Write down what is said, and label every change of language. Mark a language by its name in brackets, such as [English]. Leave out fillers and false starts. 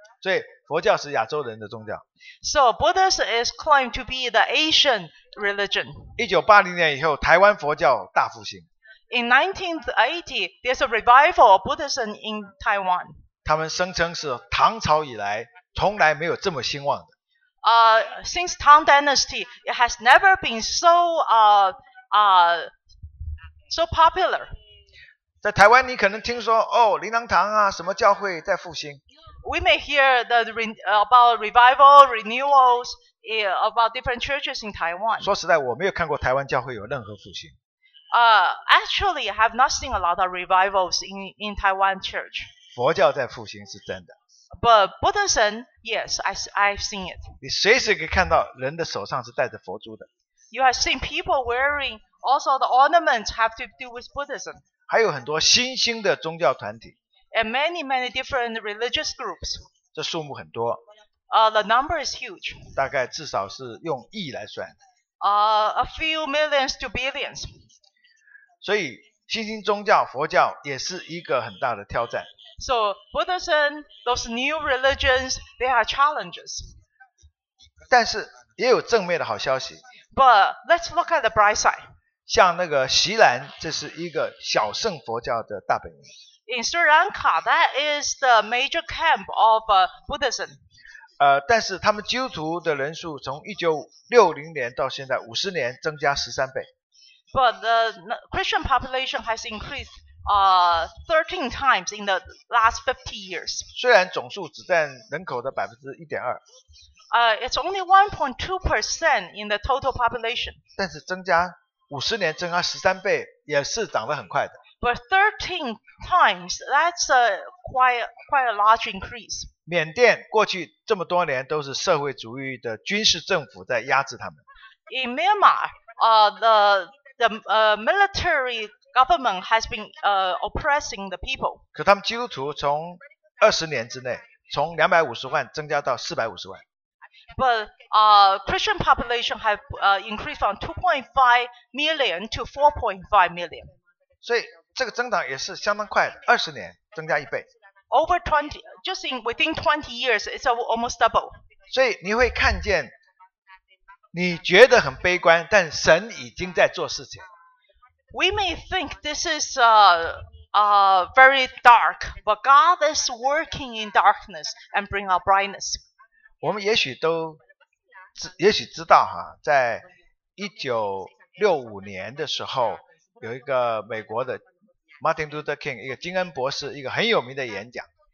[Chinese] 所以佛教是亚洲人的宗教。 [English] So Buddhist is claimed to be the Asian religion. [Chinese] 1980年以后，台湾佛教大复兴。 [English] In 1980, there's a revival of Buddhism in Taiwan. [Chinese] 他们声称是唐朝以来从来没有这么兴旺的。 [English] Since Tang Dynasty, it has never been so popular. [Chinese] 在台湾，你可能听说哦，琳琅堂啊，什么教会在复兴。 [English] We may hear the about revival renewals about different churches in Taiwan. [Chinese] 说实在，我没有看过台湾教会有任何复兴。 [English] Actually, I have not seen a lot of revivals in Taiwan church. [Chinese] 佛教在复兴是真的。 [English] But Buddhism, yes, I've seen it. [Chinese] 你随时可以看到人的手上是带着佛珠的。 [English] You have seen people wearing also the ornaments have to do with Buddhism. [Chinese] 还有很多新兴的宗教团体。 [English] And many, many different religious groups. [Chinese] 这数目很多。 [English] The number is huge. [Chinese] 大概至少是用亿来算。 [English] A few millions to billions. [Chinese] 所以新兴宗教佛教也是一个很大的挑战。 [English] So Buddhism, those new religions, they are challenges. [Chinese] 但是也有正面的好消息。 [English] But let's look at the bright side. [Chinese] 像那个锡兰，这是一个小圣佛教的大本营。 [English] In Sri Lanka, that is the major camp of Buddhism. [Chinese] 但是他们基督徒的人数从1960年到现在50年增加13倍。 [English] But the Christian population has increased 13 times in the last 50 years. [Chinese] 虽然总数只占人口的 1.2%. [English] It's only 1.2% in the total population. [Chinese] 但是增加 50年增加13倍也是涨得很快的。 [English] But 13 times, that's a quite a large increase. [Chinese] 缅甸过去这么多年都是社会主义的军事政府在压制他们。 [English] In Myanmar, military government has been oppressing the people. [Chinese] 可他们基督徒从20年之内从250万增加到450万。 [English] But Christian population have increased from 2.5 million to 4.5 million. [Chinese] 所以这个增长也是相当快的，二十年增加一倍。 [English] Over 20, just in within 20 years, it's almost double. [Chinese] 所以你会看见，你觉得很悲观，但神已经在做事情。 [English] We may think this is very dark, but God is working in darkness and bring out brightness. [Chinese] 我们也许知道哈，在1965年的时候，有一个美国的Martin Luther King, 一个金恩博士，一个很有名的演讲。